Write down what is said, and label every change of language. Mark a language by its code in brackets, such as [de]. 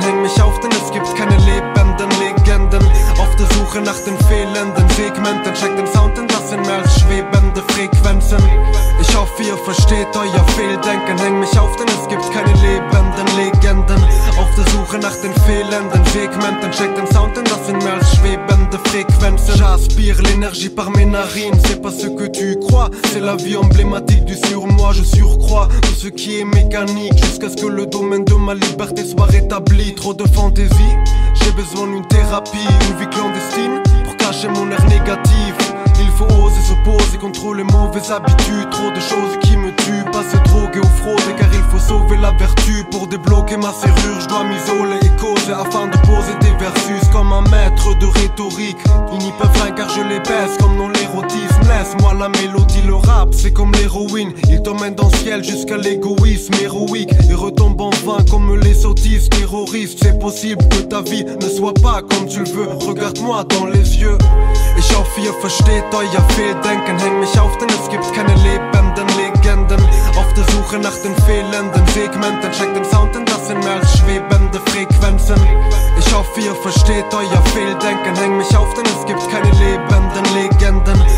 [de] Häng mich auf, denn es gibt keine lebenden Legenden. Auf der Suche nach den fehlenden Segmenten. Check den Sound, denn das sind mehr als schwebende Frequenzen. Ich hoffe, ihr versteht euer Fehldenken. Häng mich auf, denn es gibt keine lebenden Legenden. Auf der Suche nach den fehlenden Segmenten. Check den Sound, denn das sind mehr als schwebende Frequenzen. [fr] J'aspire l'énergie par mes narines. C'est pas ce que tu crois. C'est la vie emblématique du surmoi. Je surcrois tout ce qui est mécanique. Jusqu'à ce que le domaine de ma liberté soit rétabli. Trop de fantaisie, j'ai besoin d'une thérapie. Une vie clandestine pour cacher mon air négatif. Il faut oser s'opposer contre les mauvaises habitudes. Trop de choses qui me tuent, pas se droguer ou frauder. Car il faut sauver la vertu pour débloquer ma serrure. Je dois m'isoler et causer afin de poser des versus. Comme un maître de rhétorique, ils n'y peuvent rien car je les baisse. Comme dans l'érotisme, laisse-moi la mélodie. Le rap c'est comme l'héroïne, il t'emmène dans le ciel jusqu'à l'égoïsme héroïque. Et retombe enfin comme les sottises terroristes. C'est possible que ta vie ne soit pas comme tu le veux. Regarde-moi dans les yeux. [de] Ich hoffe, ihr versteht euer Fehldenken. Häng mich auf, denn es gibt keine lebenden Legenden. Auf der Suche nach den fehlenden Segmenten. Check den Sound, denn das sind mehr als schwebende Frequenzen. Ich hoffe, ihr versteht euer Fehldenken. Häng mich auf, denn es gibt keine lebenden Legenden.